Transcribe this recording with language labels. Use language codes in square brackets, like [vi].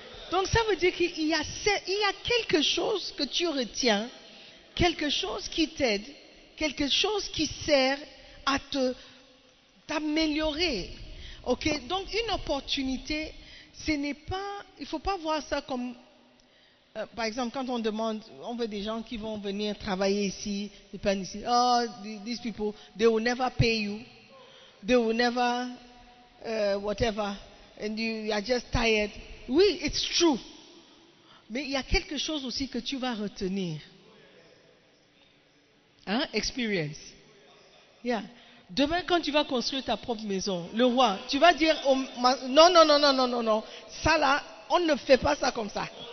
[fr] Donc ça veut dire qu'il y a quelque chose que tu retiens, quelque chose qui t'aide, quelque chose qui sert à t'améliorer. Ok? Donc une opportunité, ce n'est pas, il ne faut pas voir ça comme, par exemple, quand on demande, on veut des gens qui vont venir travailler ici, dépendre ici. [en] Oh, these people, they will never pay you. They will never, whatever, and you are just tired. [fr] Oui, [en] it's true. [fr] Mais il y a quelque chose aussi que tu vas retenir. Hein? [en] Experience. Yeah. [fr] Demain, quand tu vas construire ta propre maison, le roi, tu vas dire, non. Ça là, on ne fait pas ça comme ça.